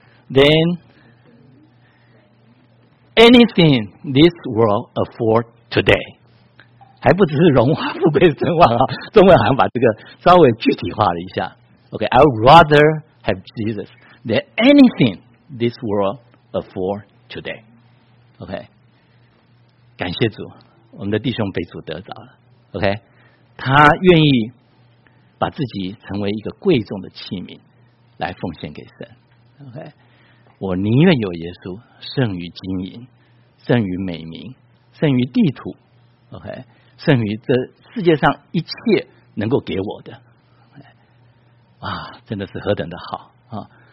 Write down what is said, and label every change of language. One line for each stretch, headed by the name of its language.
English: Then anything this world afford today，
Chinese: 还不只是荣华富贵声望啊！中文好像把这个稍微具体化了一下。
English: Okay, I'd rather have Jesus than anything this world afford today.
Chinese: Okay， 感谢主。我们的弟兄被主得着了 ，OK， 他愿意把自己成为一个贵重的器皿来奉献给神 ，OK， 我宁愿有耶稣胜于金银，胜于美名，胜于地土 ，OK， 胜于这世界上一切能够给我的，哇，真的是何等的好啊！